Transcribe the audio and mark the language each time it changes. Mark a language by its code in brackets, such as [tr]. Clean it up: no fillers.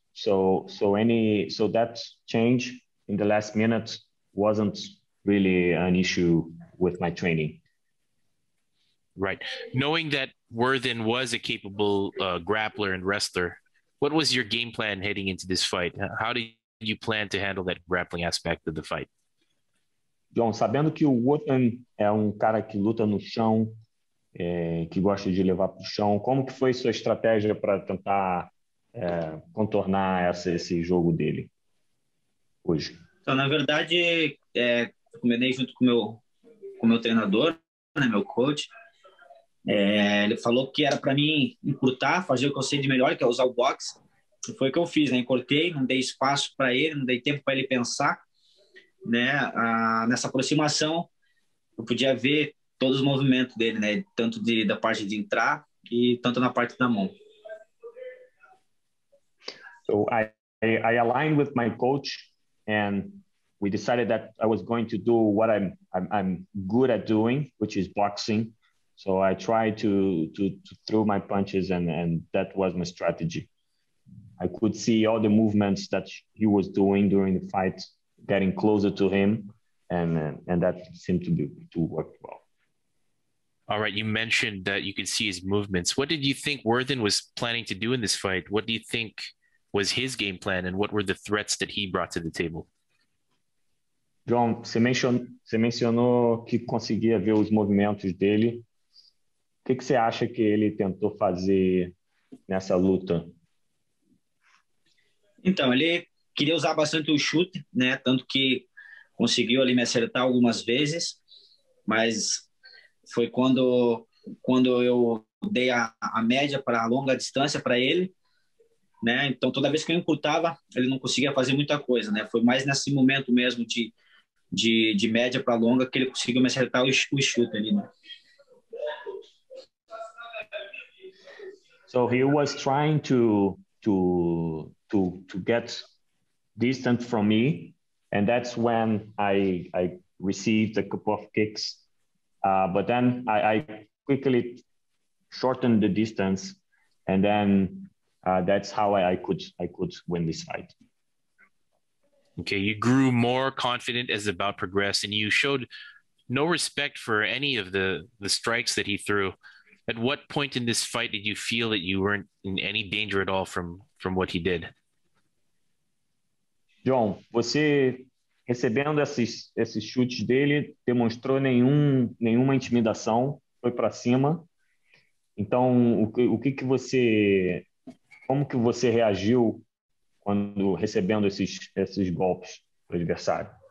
[en] So that change in the last minute wasn't really an issue with my training. Right. Knowing that Worthen was a capable grappler and wrestler, what was your game plan heading into this fight? How did you plan to handle that grappling aspect of the fight? [pt] John, sabendo que o Wotan é um cara que luta no chão, que gosta de levar para o chão, como que foi sua estratégia para tentar, contornar esse jogo dele hoje? Então, na verdade, combinei junto com meu treinador, né, meu coach. Ele falou que era para mim encurtar, fazer o que eu sei de melhor, que é usar o boxe. E foi o que eu fiz, né? Encurtei, não dei espaço para ele, não dei tempo para ele pensar, né? Nessa aproximação, eu podia ver todos os movimentos dele, né? Tanto da parte de entrar e tanto na parte da mão. [en] So I aligned with my coach, and we decided that I was going to do what I'm good at doing, which is boxing. So I tried to throw my punches, and that was my strategy. I could see all the movements that he was doing during the fight, getting closer to him, and that seemed to work well. All right, you mentioned that you could see his movements. What did you think Worthen was planning to do in this fight? What do you think was his game plan, and what were the threats that he brought to the table? [pt] João, você mencionou que conseguia ver os movimentos dele. O que você acha que ele tentou fazer nessa luta? Então, ele queria usar bastante o chute, né? Tanto que conseguiu ali me acertar algumas vezes, mas foi quando eu dei a média para a longa distância para ele, né? Então, toda vez que eu encurtava, ele não conseguia fazer muita coisa, né? Foi mais nesse momento mesmo de média para longa que ele conseguiu me acertar o chute ali, né? [en] So he was trying to get distant from me, and that's when I received a couple of kicks. But then I quickly shortened the distance, and then that's how I could win this fight. Okay, you grew more confident as the bout progressed, and you showed no respect for any of the strikes that he threw. At what point in this fight did you feel that you weren't in any danger at all from what he did? [pt] John, você recebendo esses chutes dele, demonstrou nenhuma intimidação, foi para cima. Então, o que você, como que você reagiu quando recebendo esses golpes do adversário?